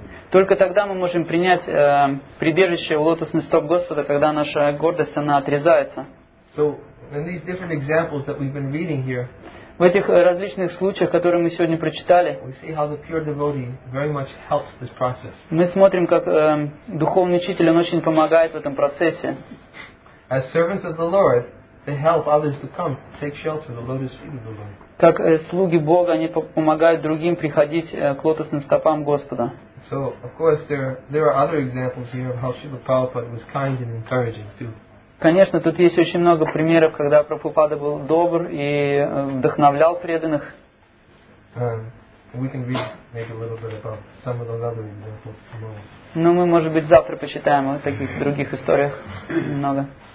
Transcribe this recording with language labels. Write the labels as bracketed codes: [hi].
[ru] Только тогда мы можем принять прибежище в лотосный стоп Господа, когда наша гордость, она отрезается. [en] So, in these different examples that we've been reading here, [ru] в этих различных случаях, которые мы сегодня прочитали, [en] we see how the pure devotee very much helps this process. [ru] Мы смотрим, как духовный учитель, он очень помогает в этом процессе. [en] As servants of the Lord, they help others to come, take shelter, the lotus feet of the Lord. [ru] Как слуги Бога, они помогают другим приходить к лотосным стопам Господа. [en] So, of course, there are other examples here of how Śrīla Prabhupāda was kind and encouraging too. [ru] Конечно, тут есть очень много примеров, когда Прабхупада был добр и вдохновлял преданных. [en] We can read maybe a little bit about some of those other examples tomorrow. [ru] Ну, мы, может быть, завтра почитаем о таких других историях много.